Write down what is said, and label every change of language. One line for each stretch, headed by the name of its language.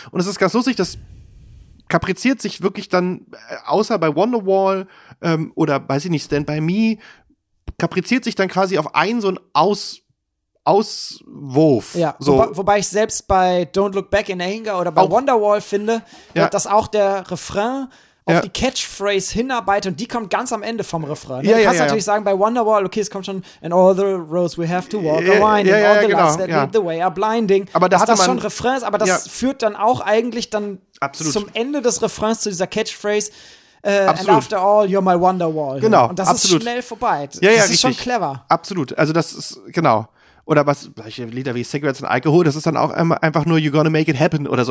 German: Und es ist ganz lustig, das kapriziert sich wirklich dann, außer bei Wonderwall, oder weiß ich nicht, Stand By Me, kapriziert sich dann quasi auf einen so einen Auswurf. Ja, so. Wobei ich selbst bei Don't Look Back in Anger oder bei Wonderwall finde, dass auch der Refrain auf die Catchphrase hinarbeitet und die kommt ganz am Ende vom Refrain. Ja, du kannst natürlich sagen, bei Wonderwall, okay, es kommt schon,
English: and all the roads we have to walk are winding, all the lights that lead the way are blinding.
German: Aber das ist das schon Refrains, aber das führt dann auch eigentlich dann zum Ende des Refrains zu dieser Catchphrase,
English: and after all, you're my Wonderwall.
German: Genau, und das ist schnell vorbei. Ja, das ist schon clever. Absolut, also das ist, genau. Oder was, solche Lieder wie Cigarettes and Alcohol, das ist dann auch einfach nur You're Gonna Make It Happen oder so.